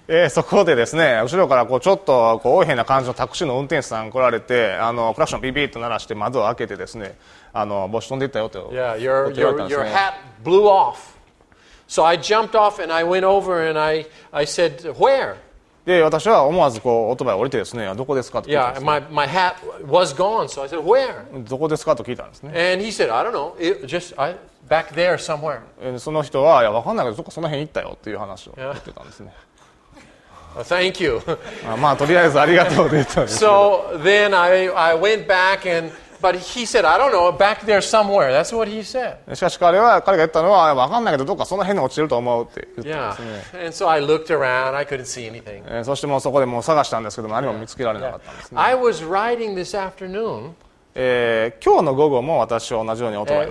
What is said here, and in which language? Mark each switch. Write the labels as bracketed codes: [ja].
[ja] そこでですね、後ろからこうちょっとこう大変な感じのタクシーの運転手さんが来られて、クラクションビビッと鳴らして窓を開けてですね、帽子飛んでいったよと言われたんですね。 [en] Yeah, your hat blew off. So I jumped off and I went over and I said, where? [ja] で、私は思わずこうオートバイ降りてですね、どこですかと聞いたんですね。 [en] Yeah, my hat was gone, so I said, where? [ja] どこですかと聞いたんですね。 [en] And he said, I don't know, it just... Back there somewhere. [ja] その人は、いや、わかんないけど、そこその辺行ったよっていう話を言ってたんですね。 [en] Well, thank you. [ja] まあ、とりあえずありがとうって言ったんですけど。 [en] So then I went back and, but he said, I don't know, back there somewhere. That's what he said. [ja] しかし彼が言ったのは、わかんないけど、どこかその辺に落ちると思うって言ったんですね。 [en] Yeah. And so I looked around. I couldn't see anything. [ja] そしてもうそこでもう探したんですけど、何も見つけられなかったんですね。 [en] Yeah. I was riding this afternoon. [ja] 今日の午後も私は同じようにオートバイに